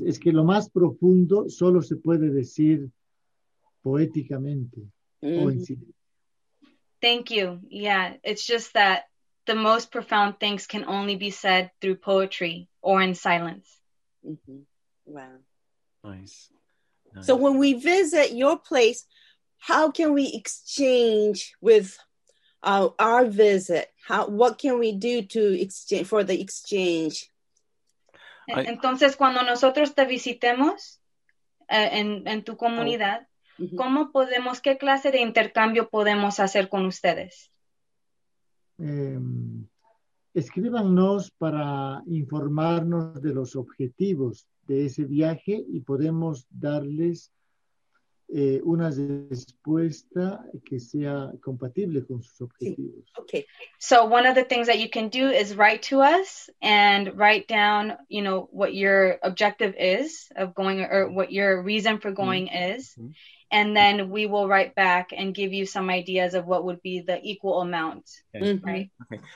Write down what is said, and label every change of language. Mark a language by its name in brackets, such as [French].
[Spanish] Es que lo más profundo solo se puede decir poéticamente o en silencio. [English] Thank you. Yeah, it's just that the most profound things can only be said through poetry or in silence. Mm-hmm. Wow. Nice. So when we visit your place, how can we exchange with our visit? What can we do to exchange for the exchange? [Spanish] Entonces, cuando nosotros te visitemos en tu comunidad, ¿cómo podemos, qué clase de intercambio podemos hacer con ustedes? Escríbanos para informarnos de los objetivos de ese viaje y podemos darles una respuesta que sea compatible con sus objetivos. Sí. Okay. [English] So one of the things that you can do is write to us and write down, you know, what your objective is of going or what your reason for going is. And then we will write back and give you some ideas of what would be the equal amount. Okay. Right? Okay.